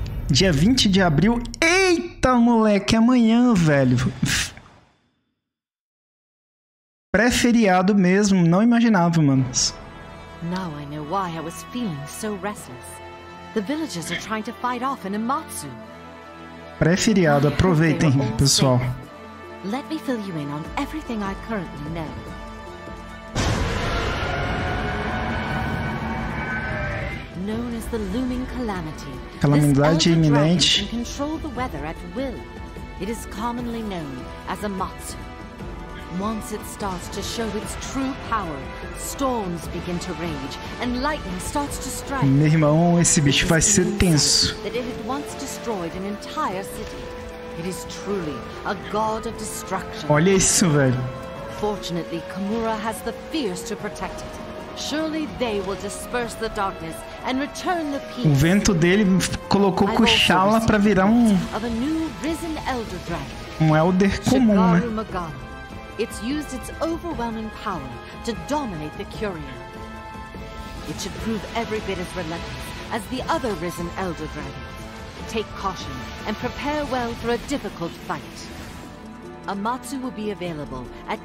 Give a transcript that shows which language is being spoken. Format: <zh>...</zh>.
<pt>Dia 20 de abril. Eita, moleque, amanhã, velho. Pré-feriado mesmo, não imaginava, mano.</pt> <en>Now I know why I was feeling so restless. The villagers are trying to fight off an Amatsu.</en> <pt>Pré-feriado, aproveitem, pessoal.</pt> <en>Let me fill you in on everything I currently know. Known as the looming calamity.</en> <pt>Calamidade iminente.</pt> <en>This elder can control the weather at will. It is commonly known as Amatsu. Once it starts to show its true power, storms begin to rage and lightning starts to strike.</en> <pt>Meu irmão, esse bicho vai ser tenso.</pt> <en>That it had once destroyed an entire city. It is truly a god of destruction.</en> <pt>Olha isso, velho.</pt> <en>Fortunately, Kamura has the fears to protect it. Surely they will disperse the darkness and return the peace.</en> <pt>O vento dele colocou Kushala para virar</pt> <en>of a new risen elder dragon.</en> <pt>Um elder comum, né?</pt> <en>Shigaru Magami. It's used its overwhelming power to dominate the Kyurian. It should prove every bit as relentless as the other risen elder dragon. Take caution and prepare well for a difficult fight. Amatsu will be available at</en>